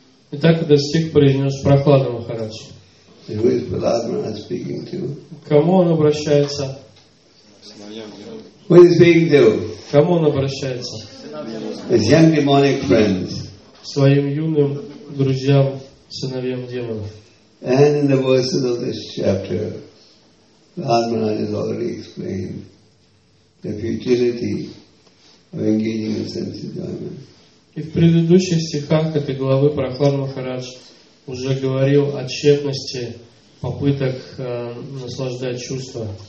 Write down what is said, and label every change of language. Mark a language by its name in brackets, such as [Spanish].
[Russian] Итак, этот стих произнес Прахлада Махарадж. Кому он обращается? [English] Who is being to? [Russian] Кому он обращается? [English] His young demonic friends. [Russian] Своим юным друзьям, сыновьям демонов. [English] And in the verses of this chapter, Prahlada has already explained the futility of engaging in sense enjoyment. [Russian] И в предыдущих стихах этой главы Прахлада Махарадж уже говорил о тщетности попыток наслаждать чувства.